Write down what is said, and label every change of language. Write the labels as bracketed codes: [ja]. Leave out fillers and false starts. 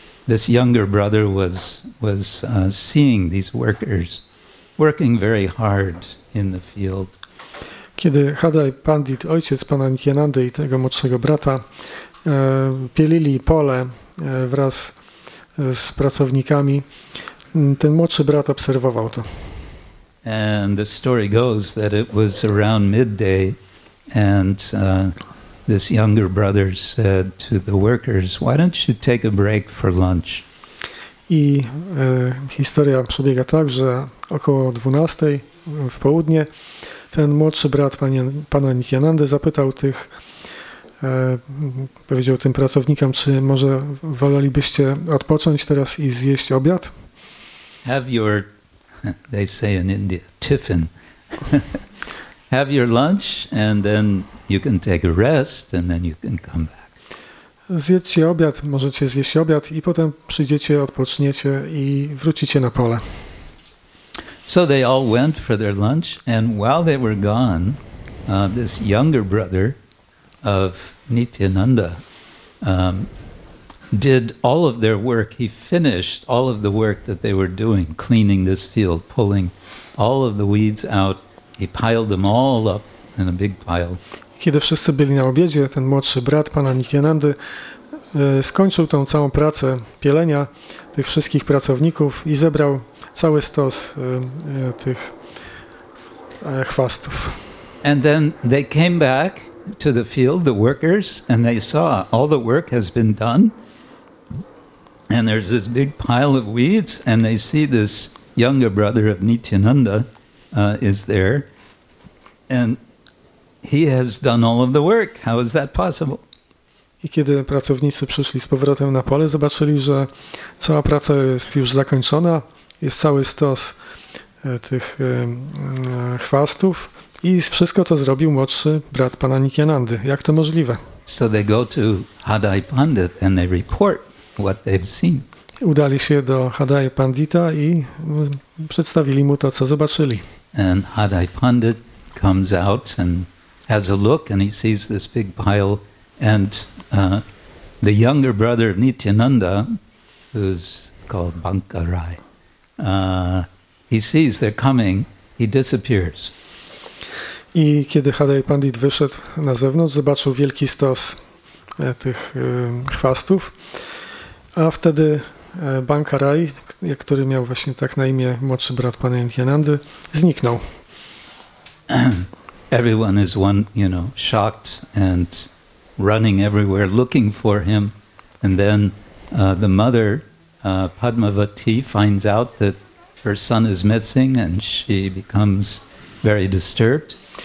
[en] This younger brother was seeing these workers working very hard in the field. [pl] Kiedy Hadai Pandit, ojciec pana Nityanandy i tego młodszego brata, pielili pole wraz z pracownikami, ten młodszy brat obserwował to. [en] And the story goes that it was around midday. And this younger brother said to the workers, "Why don't you take a break for lunch?" [pl] I historia przebiega tak, że około 12 w południe ten młodszy brat pana Nityanandy zapytał tych, powiedział tym pracownikom, czy może wolelibyście odpocząć teraz i zjeść obiad? [en] Have your, they say in India, tiffin. have your lunch and then you can take a rest and then you can come back. [pl] Zjedzcie obiad, możecie zjeść obiad i potem przyjdziecie, odpoczniecie i wrócicie na pole. [en] So they all went for their lunch, and while they were gone, this younger brother of Nityananda did all of their work. He finished all of the work that they were doing, cleaning this field, pulling all of the weeds out. He piled them all up in a big pile. [pl] Kiedy wszyscy byli na obiedzie, ten młodszy brat pana Nityanandy skończył tą całą pracę pielenia tych wszystkich pracowników i zebrał cały stos tych chwastów. [en] And then they came back to the field, the workers, and they saw all the work has been done. And there's this big pile of weeds, and they see this younger brother of Nityananda is there, and he has done all of the work. How is that possible? [pl] I kiedy pracownicy przyszli z powrotem na pole, zobaczyli, że cała praca jest już zakończona, jest cały stos tych chwastów i wszystko to zrobił młodszy brat pana Nityanandy. Jak to możliwe? [en] So they go to Hadai Pandit and they report what they've seen. [pl] Udali się do Hadai Pandita i przedstawili mu to, co zobaczyli. [en] And Hadai Pandit comes out and has a look and he sees this big pile and the younger brother of Nityananda, who's called Bankarai, he sees they're coming, he disappears. [pl] I kiedy Hadai Pandit wyszedł na zewnątrz, zobaczył wielki stos tych chwastów, a wtedy Bankarai, który miał właśnie tak na imię młodszy brat pana Nityanandy, zniknął. [en] Everyone is one, you know, shocked and running everywhere looking for him, and then the mother Padmavati finds out that her son is missing and she becomes very disturbed.